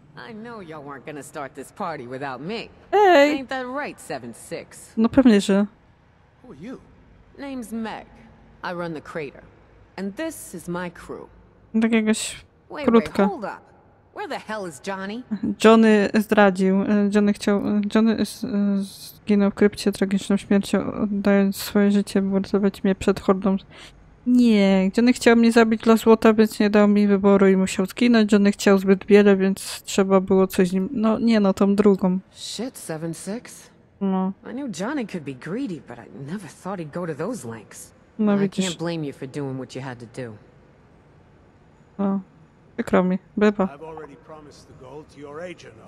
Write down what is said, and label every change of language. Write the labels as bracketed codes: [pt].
[en] I know y'all weren't gonna start this party without me. Hey. Ain't that right, 7-6? [pl] No pewnie, że. [en] Who are you? Name's Meg. I run the crater. And this is my crew. [pl] Tak jakoś krótka. [en] Wait, hold up. Where the hell is Johnny? [pl] Johnny zdradził. Johnny chciał... Johnny zginął w krypcie tragiczną śmiercią, oddając swoje życie, by uratować mnie przed hordą. Nie, Johnny chciał mnie zabić dla złota, więc nie dał mi wyboru i musiał zginąć. Johnny chciał zbyt wiele, więc trzeba było coś z nim. No nie, no tą drugą. [en] Shit, 7-6. [pl] No. [en] I knew Johnny could be greedy, but I never thought he'd go to those lengths. [pl] No widzisz. [en] I can't blame you for doing what you had to do. [pl] No, przykro mi, beba. [en] I've already promised the gold to your agent.